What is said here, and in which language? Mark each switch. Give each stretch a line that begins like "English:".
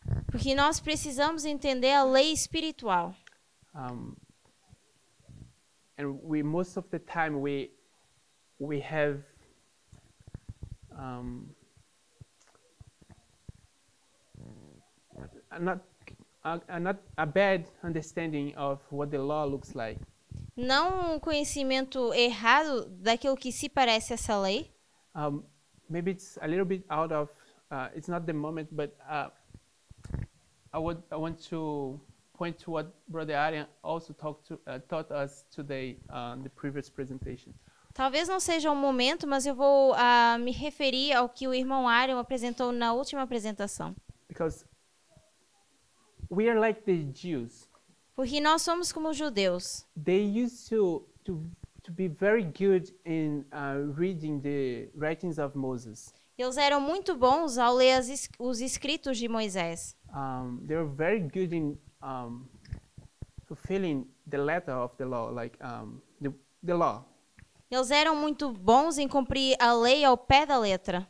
Portuguese: Porque nós precisamos entender a lei espiritual.
English: And we most of the time we have not a bad understanding of what the law looks like.
Portuguese: Não um conhecimento errado daquilo que se parece essa lei.
English: Maybe it's a little bit out of it's not the moment, but I want to point to what Brother Arian also taught us today on the previous presentation.
Portuguese: Talvez não seja um momento, mas eu vou me referir ao que o irmão Arian apresentou na última apresentação.
English: Because we are like the Jews.
Portuguese: Porque nós somos como os judeus.
English: They used to be very good in reading the writings of Moses.
Portuguese: Eles eram muito bons ao ler os escritos de Moisés.
English: They were very good in fulfilling the letter of the law, like the law.
Portuguese: Eles eram muito bons em cumprir a lei ao pé da letra.